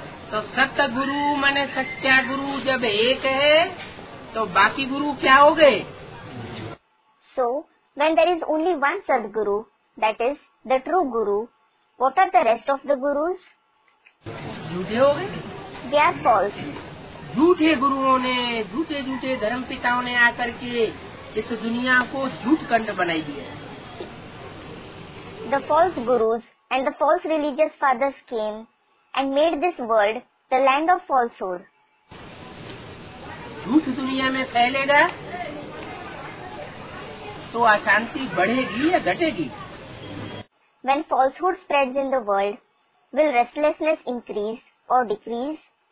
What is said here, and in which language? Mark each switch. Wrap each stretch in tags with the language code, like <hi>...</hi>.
<hi>तो सतगुरु मन सच्चा गुरु जब एक है तो बाकी गुरु क्या हो गए?</hi> <en>So, when there is only one Sadguru, that is the true Guru, what are the rest of the Gurus?</en> <hi>झूठे हो गए?</hi> <en>They are false.</en> <hi>झूठे गुरुओं ने, झूठे झूठे धर्म पिताओं ने आकर के इस दुनिया को झूठ कंड बनाई दिया।</hi> <en>the false gurus and the false religious fathers came and made this world the land of falsehood.</en> <hi>झूठ दुनिया में फैलेगा तो अशांति बढ़ेगी या घटेगी?</hi> <en>When falsehood spreads in the world, will restlessness increase or decrease?</en>